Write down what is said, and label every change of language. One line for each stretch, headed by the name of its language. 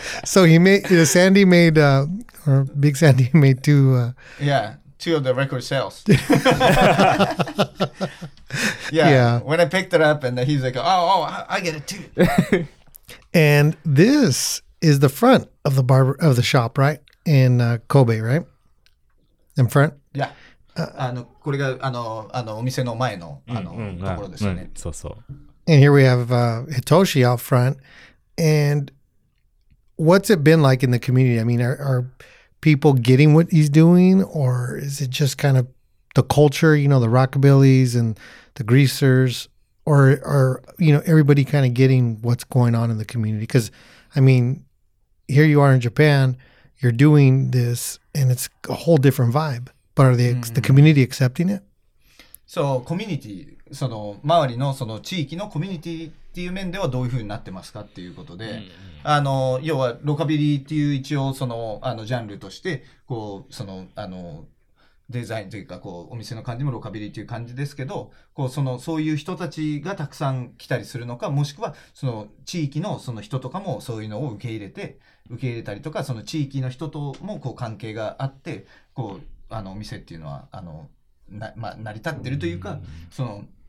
English: So he made Sandy made or Big Sandy made two. Two of the record sales. Yeah. When I picked it up, and he's like, oh, I get it too. And this is the front of the barber of the shop, right? In Kobe, right? In front? Yeah.
Japanese: これがお店の前のところですよね。そうそう。
English: And here we have Hitoshi out front. And what's it been like in the community? I mean, are people getting what he's doing? Or is it just kind of the culture, you know, the rockabillies and the greasers? Or are, you know, everybody kind of getting what's going on in the community? Because, I mean, here you are in Japan, you're doing this, and it's a whole different vibe. But are the community accepting it? So, community...
Japanese: その周りのその地域のコミュニティっていう面ではどういう風になってますかっていうことで、あの要はロカビリーっていう一応そのあのジャンルとしてこうそのあのデザインというかこうお店の感じもロカビリーっていう感じですけど、こうそのそういう人たちがたくさん来たりするのか、もしくはその地域のその人とかもそういうのを受け入れたりとか、その地域の人ともこう関係があって、こうあのお店っていうのはあのな、まあ、成り立ってるというか、その